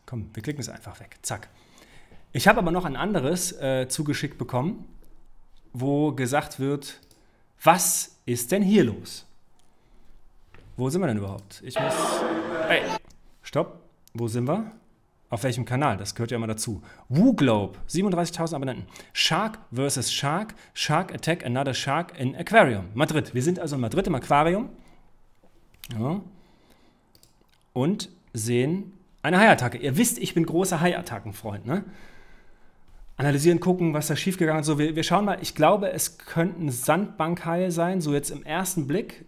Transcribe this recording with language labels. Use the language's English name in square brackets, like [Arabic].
[German] Komm, wir klicken es einfach weg. Zack. Ich habe aber noch ein anderes zugeschickt bekommen, wo gesagt wird, was ist denn hier los? Wo sind wir denn überhaupt? Ich muss... Hey, stopp. Wo sind wir? Auf welchem Kanal? Das gehört ja immer dazu. WooGlobe, 37.000 Abonnenten. Shark vs. Shark. [English] Shark attack another shark in Aquarium. Madrid. [German] Wir sind also in Madrid im Aquarium. Ja. Und sehen eine Haiattacke. Ihr wisst, ich bin großer Haiattacken-Freund. Ne? Analysieren, gucken, was da schiefgegangen ist. So, wir schauen mal. Ich glaube, es könnten Sandbankhaie sein. So jetzt im ersten Blick.